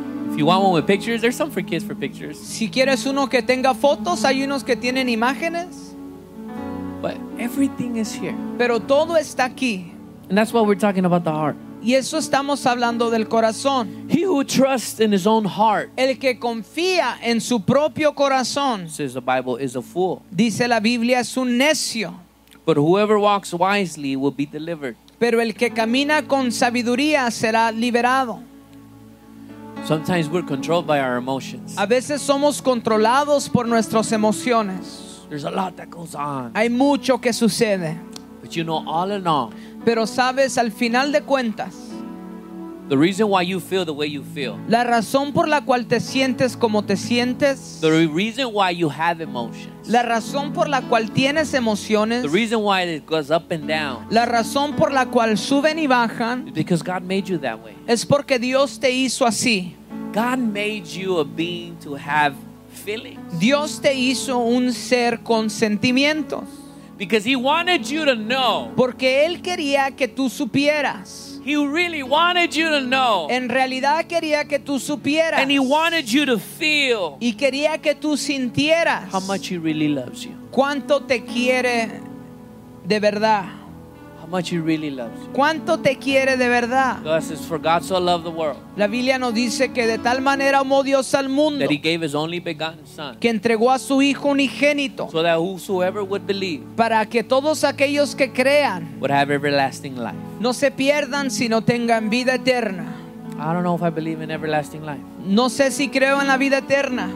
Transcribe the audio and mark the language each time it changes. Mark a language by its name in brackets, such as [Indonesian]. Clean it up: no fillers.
[English] If you want one with pictures, there's some for kids for pictures. [Spanish] Si quieres uno que tenga fotos, hay unos que tienen imágenes. [English] But everything is here. [Spanish] Pero todo está aquí. [English] And that's why we're talking about the heart. [Spanish] Y eso estamos hablando del corazón. [English] He who trusts in his own heart. [Spanish] El que confía en su propio corazón. [English] Says the Bible is a fool. [Spanish] Dice la Biblia es un necio. [English] But whoever walks wisely will be delivered. [Spanish] Pero el que camina con sabiduría será liberado. [English] Sometimes we're controlled by our emotions. [Spanish] A veces somos controlados por nuestras emociones. [English] There's a lot that goes on. [Spanish] Hay mucho que sucede. [English] But you know, all in all, [Spanish] pero sabes, al final de cuentas, [English] the reason why you feel the way you feel, [Spanish] la razón por la cual te sientes como te sientes, [English] the reason why you have emotions, [Spanish] la razón por la cual tienes emociones, [English] the reason why it goes up and down, [Spanish] la razón por la cual suben y bajan, [English] because God made you that way. [Spanish] Es porque Dios te hizo así. [English] God made you a being to have feelings. [Spanish] Dios te hizo un ser con sentimientos. [English] Because he wanted you to know. [Spanish] Porque él quería que tú supieras. [English] He really wanted you to know. [Spanish] En realidad quería que tú supieras. [English] And he wanted you to feel. [Spanish] Y quería que tú sintieras. [English] How much he really loves you. [Spanish] Cuánto te quiere de verdad. [English] How much he really loves you. [Spanish] Cuánto te quiere de verdad. [English] God says, for God so loved the world. [Spanish] La Biblia nos dice que de tal manera amó Dios al mundo. [English] That he gave his only begotten son. [Spanish] Que entregó a su hijo unigénito. [English] So that whosoever would believe. [Spanish] Para que todos aquellos que crean. [English] Would have everlasting life. [Spanish] No se pierdan sino tengan vida eterna. [English] I don't know if I believe in everlasting life. [Spanish] No sé si creo en la vida eterna.